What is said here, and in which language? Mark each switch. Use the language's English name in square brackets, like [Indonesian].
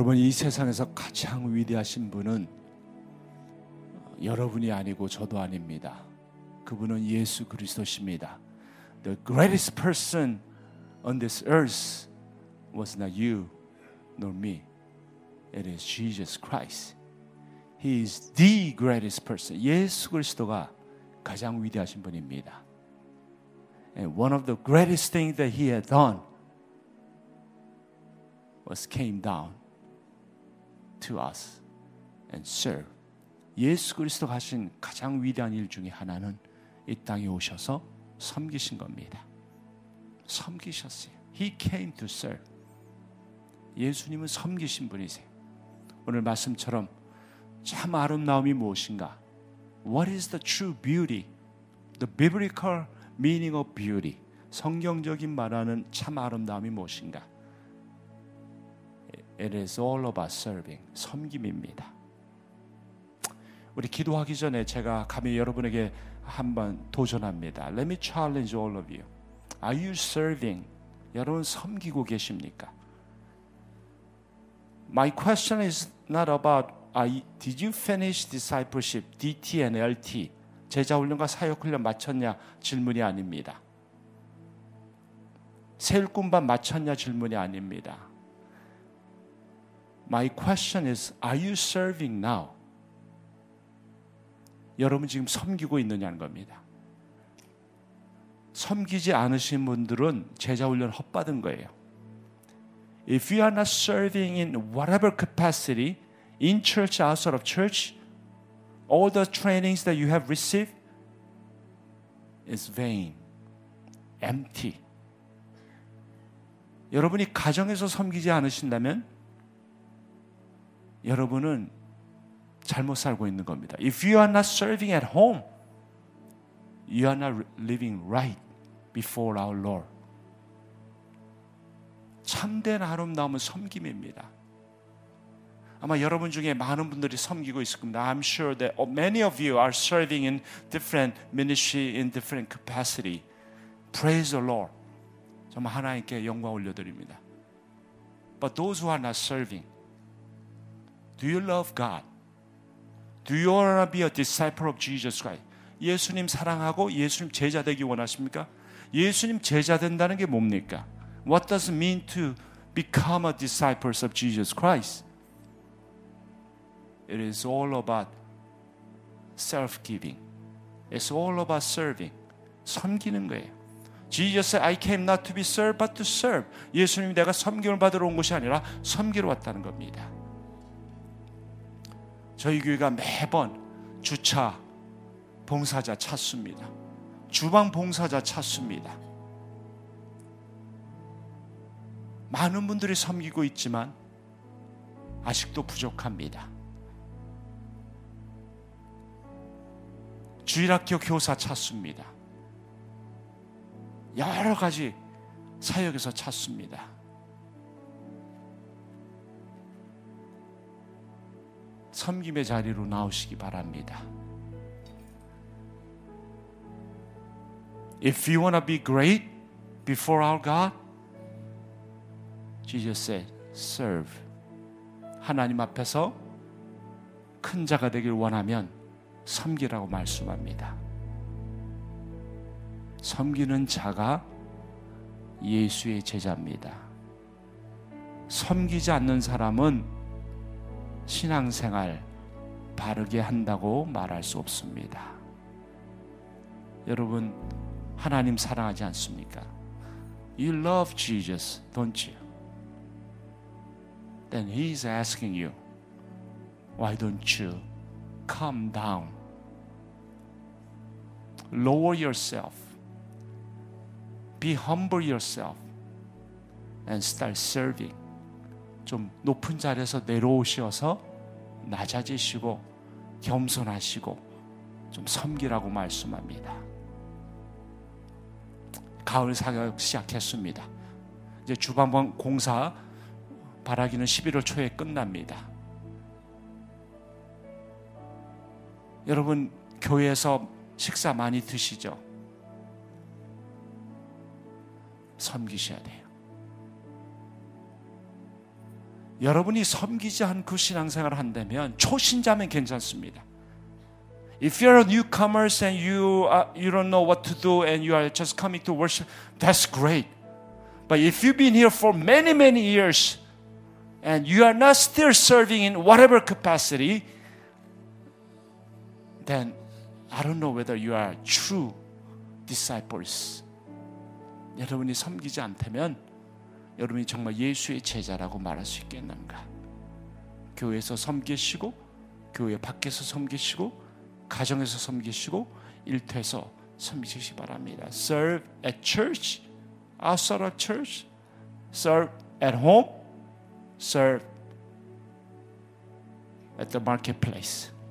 [Korean] 세상에서 가장 위대하신 분은 여러분이 아니고 저도 아닙니다. 그분은 예수 그리스도십니다. [English] The greatest person on this earth was not you nor me. It is Jesus Christ. He is the greatest person. [Korean] 예수 그리스도가 가장 위대하신 분입니다. [English] And one of the greatest things that he had done was came down to us and serve. [Korean] 예수 그리스도가 하신 가장 위대한 일 중에 하나는 이 땅에 오셔서 섬기신 겁니다. 섬기셨어요. [English] He came to serve. [Korean] 예수님은 섬기신 분이세요. 오늘 말씀처럼 참 아름다움이 무엇인가? [English] What is the true beauty? The biblical meaning of beauty. [Korean] 성경적인 말하는 참 아름다움이 무엇인가? [English] It is all about serving. [Korean] 섬김입니다. 우리 기도하기 전에 제가 감히 여러분에게 한번 도전합니다. [English] Let me challenge all of you. Are you serving? [Korean] 여러분 섬기고 계십니까? [English] My question is not about did you finish discipleship, DTNLT? [Korean] 제자훈련과 사역훈련 마쳤냐? 질문이 아닙니다. 세일꿈밤 마쳤냐? 질문이 아닙니다. [English] My question is, are you serving now? [Korean] 여러분 지금 섬기고 있느냐는 겁니다. 섬기지 않으신 분들은 제자훈련 헛받은 거예요. [English] If you are not serving in whatever capacity, in church, outside of church, all the trainings that you have received is vain, empty. [Korean] 여러분이 가정에서 섬기지 않으신다면 여러분은 잘못 살고 있는 겁니다. [English] If you are not serving at home, you are not living right before our Lord. [Korean] 참된 아름다움은 섬김입니다. 아마 여러분 중에 많은 분들이 섬기고 있을 겁니다. [English] I'm sure that many of you are serving in different ministry, in different capacity. Praise the Lord. [Korean] 정말 하나님께 영광 올려드립니다. [English] But those who are not serving, do you love God? Do you want to be a disciple of Jesus Christ? [Korean] 예수님 사랑하고 예수님 제자 되기 원하십니까? 예수님 제자 된다는 게 뭡니까? [English] What does it mean to become a disciple of Jesus Christ? It is all about self-giving. It's all about serving. [Korean] 섬기는 거예요. [English] Jesus said, I came not to be served, but to serve. [Korean] 예수님이 내가 섬김을 받으러 온 것이 아니라 섬기러 왔다는 겁니다. 저희 교회가 매번 주차 봉사자 찾습니다. 주방 봉사자 찾습니다. 많은 분들이 섬기고 있지만 아직도 부족합니다. 주일학교 교사 찾습니다. 여러 가지 사역에서 찾습니다. 섬김의 자리로 나오시기 바랍니다. [English] If you want to be great before our God, Jesus said, serve. [Korean] 하나님 앞에서 큰 자가 되길 원하면 섬기라고 말씀합니다. 섬기는 자가 예수의 제자입니다. 섬기지 않는 사람은 신앙생활 바르게 한다고 말할 수 없습니다. 여러분, 하나님 사랑하지 않습니까? [English] You love Jesus, don't you? Then he is asking you, why don't you come down? Lower yourself. Be humble yourself and start serving. [Korean] 좀 높은 자리에서 내려오셔서 낮아지시고 겸손하시고 좀 섬기라고 말씀합니다. 가을 사역 시작했습니다. 이제 주방 공사 바라기는 11월 초에 끝납니다. 여러분 교회에서 식사 많이 드시죠? 섬기셔야 돼요. 여러분이 섬기지 않고 신앙생활을 한다면 초신자면 괜찮습니다. [English] If you're a newcomer and you don't know what to do and you are just coming to worship, that's great. But if you've been here for many, many years and you are not still serving in whatever capacity, then I don't know whether you are true disciples. [Korean] 여러분이 섬기지 않다면 여러분이 정말 예수의 제자라고 말할 수 있겠는가? 교회에서 섬기시고 교회 밖에서 섬기시고 가정에서 섬기시고 일터에서 섬기시기 바랍니다. [English] Serve at church, outside of church, serve at home, serve at the marketplace.